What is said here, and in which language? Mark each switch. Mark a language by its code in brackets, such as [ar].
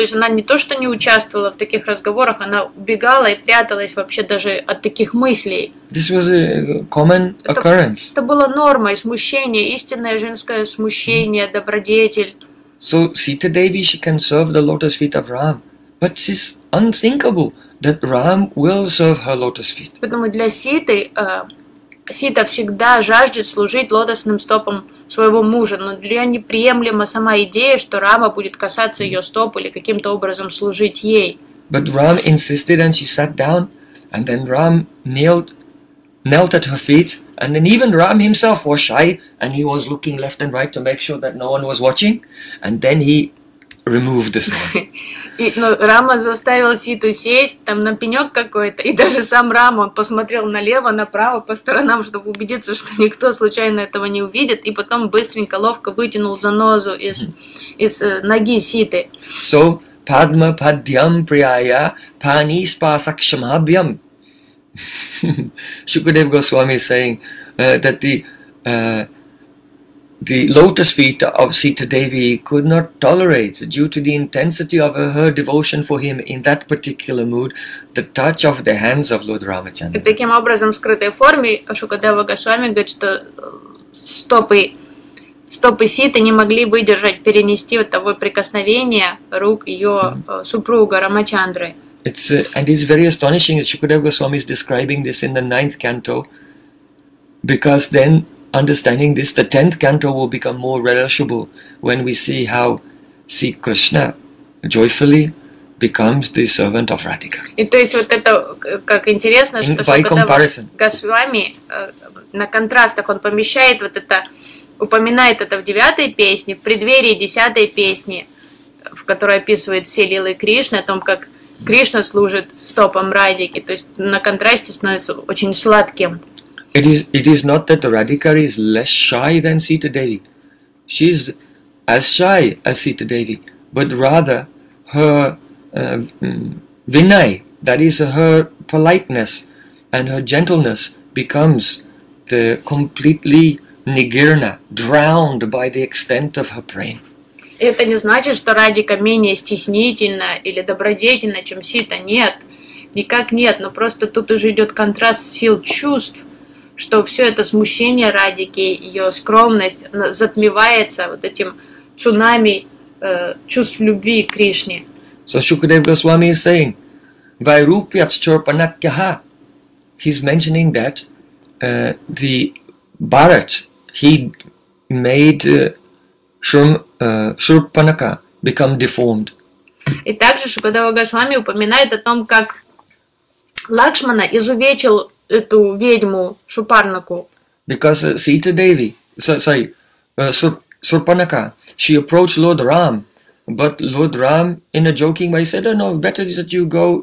[ru] То есть она не то, что не участвовала в таких разговорах, она убегала и пряталась вообще даже от таких мыслей. [en] This was a common occurrence. [ru] Это было нормой, смущение, истинное женское смущение, добродетель. [en] So Sita Devi, she can serve the lotus feet of Ram. But it's unthinkable that Ram will serve her lotus feet. [ru] Поэтому для Ситы, Сита всегда жаждет служить лотосным стопам своего мужа, но для неё неприемлема сама идея, что Рама будет касаться её стоп или каким-то образом служить ей. [en] But Ram insisted and she sat down, and then Ram knelt at her feet, and then even Ram himself was shy, and he was looking left and right to make sure that no one was watching, and then he remove the sign. [ru] Рама заставил Ситу сесть там на пенёк какой-то, и даже сам Рама, он посмотрел налево, направо, по сторонам, чтобы убедиться, что никто случайно этого не увидит, и потом быстренько, ловко вытянул занозу из ноги Ситы. [sa] So, padma padyam priyaya panispa sakshamabhyam. [en] Shukadev Goswami is saying that the lotus feet of Sita Devi could not tolerate, due to the intensity of her devotion for him in that particular mood, the touch of the hands of Lord Ramachandra. [ru] Таким образом, в скрытой форме Шукадева Госвами говорит, что стопы Ситы не могли выдержать, перенести вот того прикосновения рук ее супруга Рамачандры. [en] It's very astonishing that Шукадева Госвами is describing this in the ninth canto, because then understanding this, the 10th canto will become more relishable when we see how Sri Krishna joyfully becomes the servant of Radhika. [ru] И то есть вот это как интересно, что Госвами на контрастах он помещает вот это, упоминает это в 9-й песне, в преддверии 10-й песни, в которой описывает все лилы Кришны, о том, как Кришна служит стопом Радхики. То есть на контрасте становится очень сладким. [en] It is not that Radhika is less shy than Sita Devi. She is as shy as Sita Devi, but rather her vinay, that is her politeness and her gentleness, becomes the completely nigirna, drowned by the extent of her prem. [ru] Это не значит, что Радика менее стеснительна или добродетельна, чем Сита. Нет, никак нет. Но просто тут уже идет контраст сил чувств, что все это смущение Радики, ее скромность затмевается вот этим цунами чувств любви к Кришне. [en] So Shukadev Goswami is saying, Vairupyatscharpanakyaha. He's mentioning that the Bharat, he made Shurpanaka become deformed. [ru] И также Шукадева Госвами упоминает о том, как Лакшмана изувечил эту ведьму Шупарнаку. [en] Because Sita Devi, Shurpanaka, she approached Lord Ram, but Lord Ram, in a joking way, said, "Oh no, better is that you go.